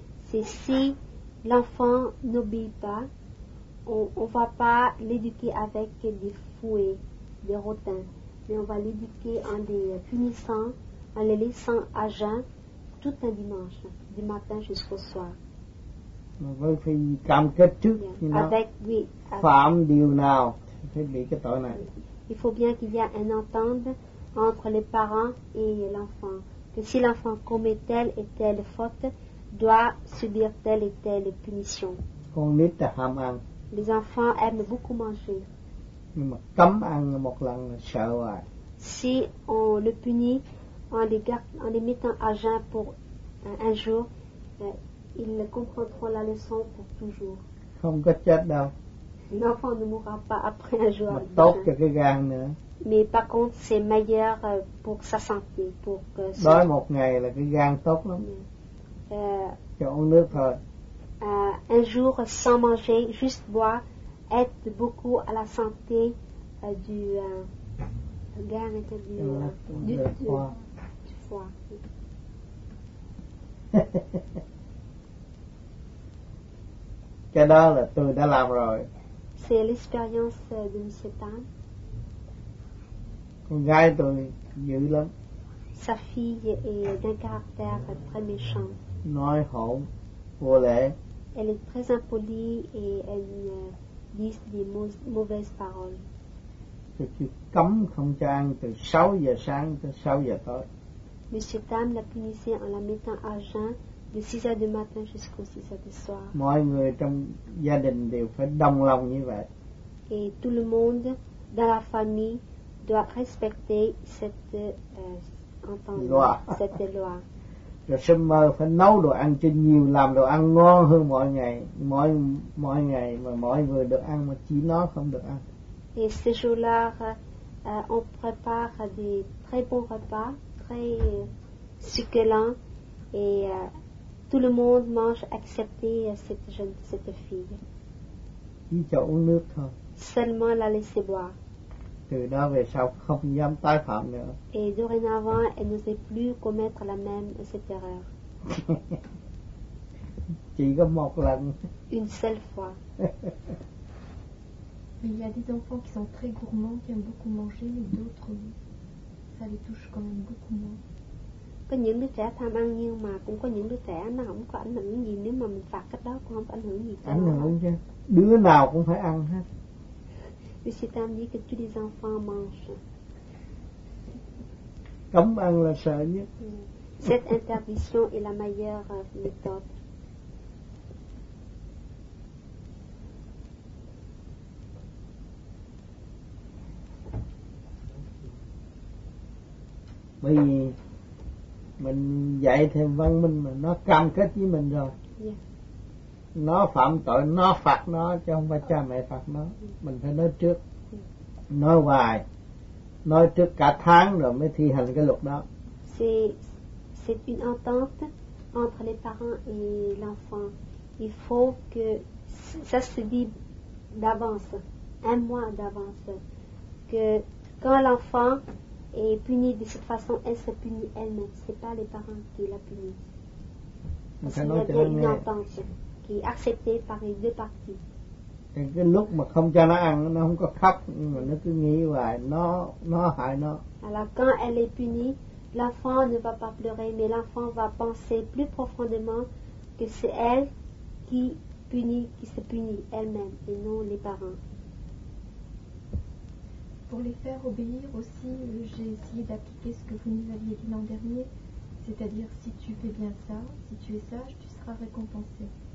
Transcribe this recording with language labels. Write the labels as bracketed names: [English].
[French] C'est si l'enfant n'obéit pas, on ne va pas l'éduquer avec des fouets, des rotins, mais on va l'éduquer en les punissant, en les laissant à jeun tout un dimanche, du matin jusqu'au soir. Vous faites [Vietnamese] cam kết trước, [English] yeah. You know, [French] avec, oui, [Vietnamese] phạm điều nào phải bị cái tội này. [French] Il faut bien qu'il y ait une entente entre les parents et l'enfant, que si l'enfant commet telle et telle faute, doit subir telle et telle punition. [Vietnamese] Con nít là ham ăn. [French] Les enfants aiment beaucoup manger. [Vietnamese] Nhưng mà cấm ăn một lần là sợ rồi. [French] Si on le punit en les mettant à jeun pour un jour, ils comprendront la leçon pour toujours. [Vietnamese] Không có chết đâu. [French] L'enfant ne mourra pas après un jour. [Vietnamese] Mà tốt cho cái gan nữa. [French] Mais par contre, c'est meilleur pour sa santé, pour que. [Vietnamese] Đói một ngày là cái gan tốt lắm. Chỉ uống nước thôi. [French] Un jour sans manger, juste boire, aide beaucoup à la santé du gan et du foie. [Vietnamese] Cái đó là tôi đã làm rồi. [French] C'est l'expérience de Monsieur Tan. [Vietnamese] Con gái tôi dữ lắm. [French] Sa fille est d'un caractère très méchant. [Vietnamese] Nói hổn, vô lễ. [French] Elle est très impolie et elle dit des mauvaises paroles. [Vietnamese] Tôi cấm không cho ăn từ 6 giờ sáng tới 6 giờ tối. [French] Monsieur Tam la punissait en la mettant à jeun de 6 heures du matin jusqu'au 6 heures du soir. [Vietnamese] Mọi người trong gia đình đều phải đồng lòng như vậy. [French] Et tout le monde dans la famille doit respecter cette entente, cette loi. [Vietnamese] Rồi sớm mơ phải nấu đồ ăn cho nhiều, làm đồ ăn ngon hơn mọi ngày, mỗi ngày mà mọi người được ăn mà chỉ nó không được ăn. [French] Et ce jour-là, on prépare des très bons repas, très succulents, et tout le monde mange excepté cette jeune, cette fille. [Vietnamese] Chỉ cho uống nước thôi. [French] Seulement la laisser boire. [Vietnamese] Từ đó về sau không dám tái phạm nữa. [French] Et dorénavant, elle n'osait plus commettre la même cette erreur. [Vietnamese] Chỉ có một lần. [French] Une seule fois. Mais il y a des enfants qui sont très gourmands, qui aiment beaucoup manger, mais d'autres, ça les touche quand même beaucoup moins. [Vietnamese] Có những đứa trẻ tham ăn nhưng mà cũng có những đứa trẻ nó không có ảnh hưởng gì, nếu mà mình phạt cách đó cũng không có ảnh hưởng gì. Ảnh hưởng chứ. Đứa nào cũng phải ăn hết. [French] Monsieur Tam dit que tous les enfants mangent. [Vietnamese] Cấm ăn là sợ nhất. [French] Cette interdiction est la meilleure méthode. [Vietnamese] Bởi vì mình dạy thêm văn minh mà nó cam kết với mình rồi. Nó phạm tội nó phạt nó, chứ không phải cha mẹ phạt nó. Mình phải nói trước, nói hoài, nói trước cả tháng rồi mới thi hành cái luật đó. [French] C'est une entente entre les parents et l'enfant. Il faut que ça se dit d'avance, un mois d'avance, que quand l'enfant est puni de cette façon, elle se punit elle-même, c'est pas les parents qui la punissent. C'est une entente accepté par les deux parties. [Vietnamese] Thì cái lúc mà không cho nó ăn, nó không có khóc, nhưng mà nó cứ nghĩ hoài, nó hại nó. [French] Alors quand elle est punie, l'enfant ne va pas pleurer, mais l'enfant va penser plus profondément que c'est elle qui punit, qui se punit elle-même, et non les parents. Pour les faire obéir aussi, j'ai essayé d'appliquer ce que vous nous aviez dit l'an dernier, c'est-à-dire si tu fais bien ça, si tu es sage, tu seras récompensé.